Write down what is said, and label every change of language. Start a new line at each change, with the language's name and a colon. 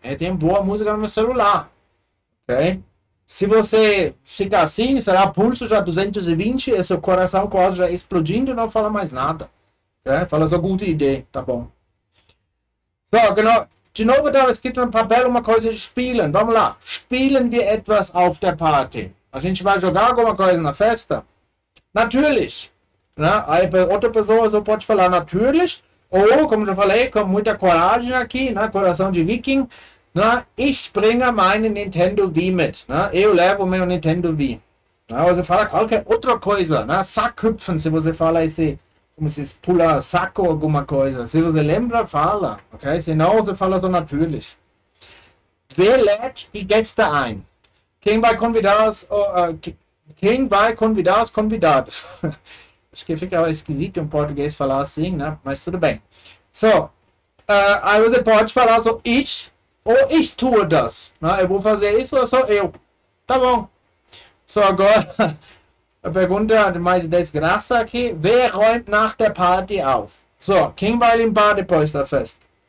Portuguese: Eu tenho boa música no meu celular. Ok? Se você ficar assim, será pulso já 220 e seu coração quase já explodindo, não fala mais nada. Ok? Fala só
German: gute Idee,
Portuguese: tá bom. So, genau. De novo, da escrito no papel uma coisa de spielen. Vamos lá.
German: Spielen wir etwas auf der Party?
Portuguese: A gente vai jogar alguma coisa na festa?
German: Natürlich.
Portuguese: Né? Outra pessoa só pode falar, natürlich. Ou, como já falei, com muita coragem aqui, né? Coração de viking. Né?
German: Ich bringe meine Nintendo Wii mit.
Portuguese: Né? Eu levo meu Nintendo Wii. Né? Você fala qualquer outra coisa. Né? Sackhüpfen, se você fala esse... Como se pula saco alguma coisa. Se você lembra, fala. Okay? Se não, você fala só natürlich.
German: Wer lädt die Gäste ein?
Portuguese: Quem vai convidar os... quem vai convidar os convidados? Acho que fica esquisito um português falar assim, né? Mas tudo bem. So, aí você pode falar só ich ou
German: ich tue das.
Portuguese: Né? Eu vou fazer isso ou só eu. Tá bom. So, agora, a pergunta mais desgraça aqui.
German: Wer räumt nach der Party auf?
Portuguese: So, quem vai limpar depois da festa?